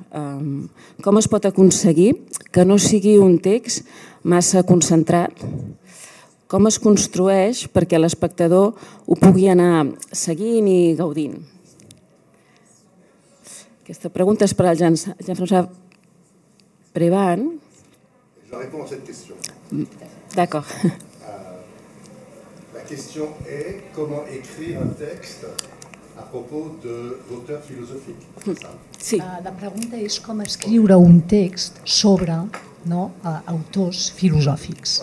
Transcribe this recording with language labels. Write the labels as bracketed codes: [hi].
[ca] Com es pot aconseguir que no sigui un text massa concentrat? Com es construeix perquè l'espectador ho pugui anar seguint i gaudint? Aquesta pregunta és per al Jean-François Brevan. [fr] Je réponds à cette question. D'accord. La question est comment écrire un texte à propos de l'auteur philosophique. [ca] Sí. La pregunta és com escriure un text sobre, no, autors filosòfics.